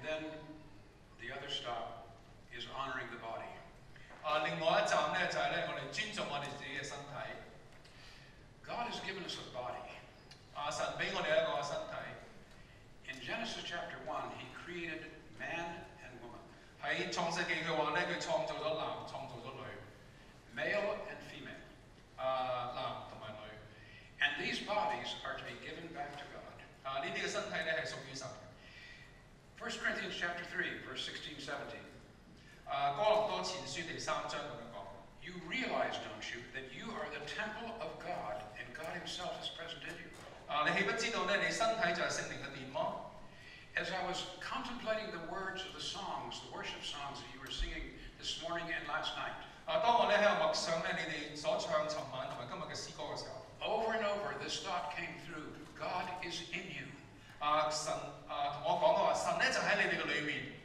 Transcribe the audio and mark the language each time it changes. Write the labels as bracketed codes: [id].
[en] then the other stop is honoring the body. [yue] 另外一站咧，就系咧，我哋尊重我哋自己嘅身体。 [en] God has given us a body. [yue] 神俾我哋一个身体。 [en] In Genesis chapter 1, He created man and woman. [yue] 喺创世纪佢话咧，佢创造咗男，创造咗女。 [en] Male and female. [yue] 男同埋女。 [en] And these bodies are to be given back to God. [yue] 呢啲嘅身体咧系属于神。 [en] 1 Corinthians chapter 3, verse 16-17. [yue] 哥林多前书第三章咁样讲。 [en] You realize, don't you, that you are the temple of God. God Himself is present in you. [yue] 你岂不知道呢？你身體就係聖靈嘅殿麼？ [en] As I was contemplating the words of the songs, the worship songs that you were singing this morning and last night. [yue] 當我咧喺度默想咧，你哋所唱昨晚同埋今日嘅詩歌嘅時候， [en] Over and over, this thought came through: God is in you. [yue] 神同我講嘅話，神咧就喺你哋嘅裏面。